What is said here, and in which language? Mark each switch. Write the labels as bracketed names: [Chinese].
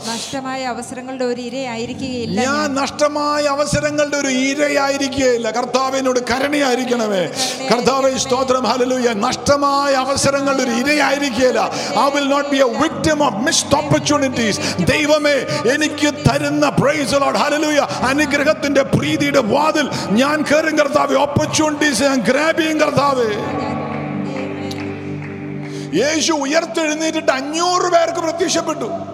[Malayalam] നഷ്ടമായ അവസരങ്ങളുടെ ഒരു ഇരയായിരിക്കുകയില്ല. ഞാൻ നഷ്ടമായ അവസരങ്ങളുടെ ഒരു ഇരയായിരിക്കുകയില്ല. കർത്താവിനോട് കരുണയായിരിക്കണമേ. കർത്താവേ സ്തോത്രം, ഹല്ലേലൂയ. നഷ്ടമായ അവസരങ്ങളുടെ ഒരു ഇരയായിരിക്കുകയില്ല. [English] I will not be a victim of missed opportunities. [Malayalam] ദൈവമേ എനിക്ക് തരുന്ന, പ്രൈസ് ലോർഡ്, ഹല്ലേലൂയ, അനുഗ്രഹത്തിന്റെ പ്രീതിയുടെ വാതിൽ ഞാൻ കയറും കർത്താവേ. ഓപ്പർച്യൂണിറ്റീസ് ഞാൻ ഗ്രാബ് ചെയ്യും കർത്താവേ. യേശു ഉയർത്തെഴുന്നേറ്റിട്ട് 500 പേർക്ക് പ്രത്യക്ഷപ്പെട്ടു.